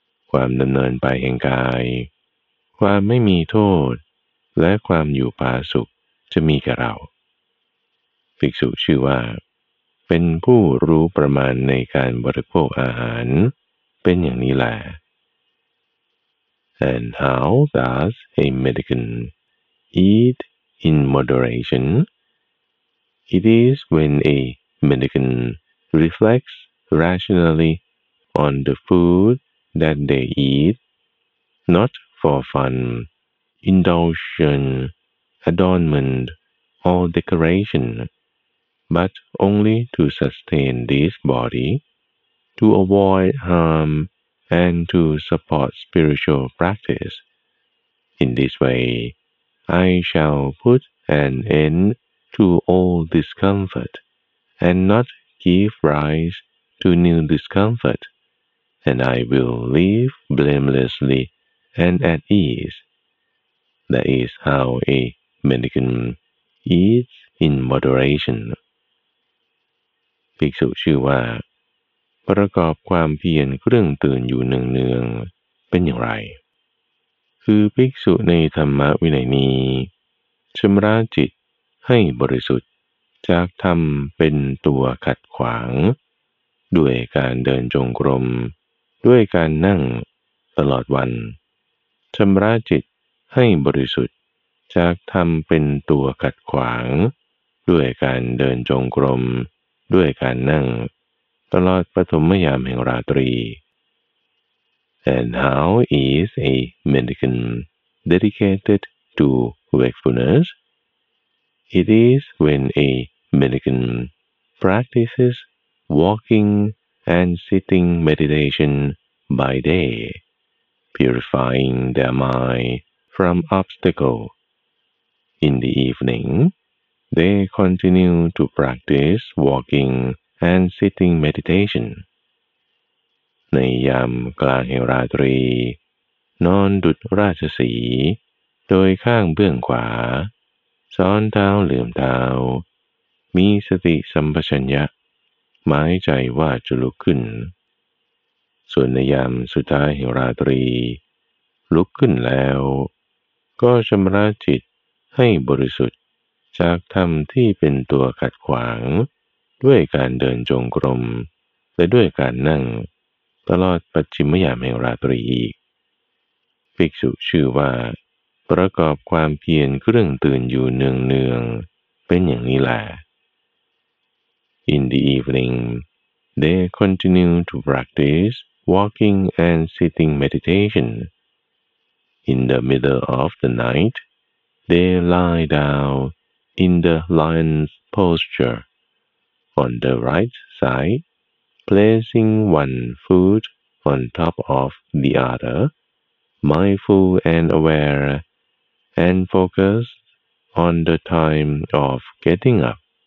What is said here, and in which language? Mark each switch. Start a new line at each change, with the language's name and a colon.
Thai: ความดำเนินไปแห่งกายความไม่มีโทษและความอยู่ปาสุขจะมีแก่เราภิกษุชื่อว่าเป็นผู้รู้ประมาณในการบริโภคอาหารเป็นอย่างนี้แหละ
English: And how does a mendicant eat in moderation? It is when a mendicant reflects rationally on the food that they eat, notFor fun, indulgence, adornment, or decoration, but only to sustain this body, to avoid harm, and to support spiritual practice. In this way, I shall put an end to all discomfort, and not give rise to new discomfort, and I will live blamelessly. And at ease. That is how a mendicant eats in moderation.
Thai: ภิกษุชื่อว่าประกอบความเพียรเครื่องตื่นอยู่เนืองๆเป็นอย่างไรคือภิกษุในธรรมวินัยนี้ชำระจิตให้บริสุทธิ์จากธรรมเป็นตัวขัดขวาง ด้วยการเดินจงกรมด้วยการนั่งตลอดวันชำระจิตให้บริสุทธิ์จากธรรมเป็นตัวขัดขวางด้วยการเดินจงกรมด้วยการนั่งตลอดปฐมยามแห่งราตรี
English: And how is a mendicant dedicated to wakefulness? It is when a mendicant practices walking and sitting meditation by dayPurifying their mind from obstacle. In the evening, they continue to practice walking and sitting meditation.
Thai: ในยามกลางแห่งราตรีนอนดุจราชสีโดยข้างเบื้องขวาซ้อนเท้าลืมเท้ามีสติสัมปชัญญะหมายใจว่าจะลุกขึ้น ส่วนในยามสุดท้ายแห่งราตรีลุกขึ้นแล้วก็ชำระจิตให้บริสุทธิ์จากธรรมที่เป็นตัวขัดขวางด้วยการเดินจงกรมและด้วยการนั่งตลอดปัจฉิมยามแห่งราตรีอีก ภิกษุชื่อว่าประกอบความเพียรเครื่องตื่นอยู่เนืองๆเป็นอย่างนี้แหละ
English: In the eveningThey continue to practice walking and sitting meditation. In the middle of the night, they lie down in the lion's posture, on the right side, placing one foot on top of the other, mindful and aware, and focused on the time of getting up.